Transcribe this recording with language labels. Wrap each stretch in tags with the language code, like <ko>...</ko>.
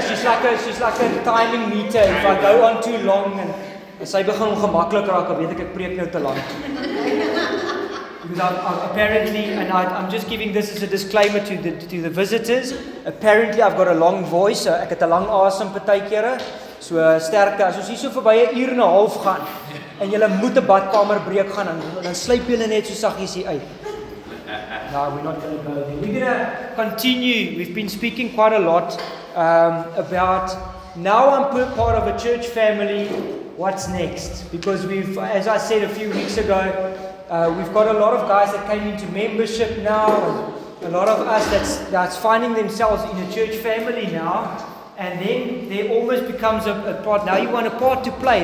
<en>She's like a timing meter. If I go on too long and</en> <af>sy begin ongemaklik raak, weet ek preek nou te lank.</af> <en>I'm just giving this as a disclaimer to the visitors. Apparently I've got a long voice.</en> <af>So ek het 'n lang asem partykeere. So sterkte as ons hier so verby 'n uur en 'n half gaan en jy moet 'n badkamer breek gaan en dan sluip jy net so saggies hier uit.</af> <en>Now we're not going to go there. We're going to continue. We've been speaking quite a lot about now I'm part of a church family. What's next? Because we've, as I said a few weeks ago, we've got a lot of guys that came into membership now, a lot of us that's finding themselves in a church family now, and then there almost becomes a part, now you want a part to play.</en>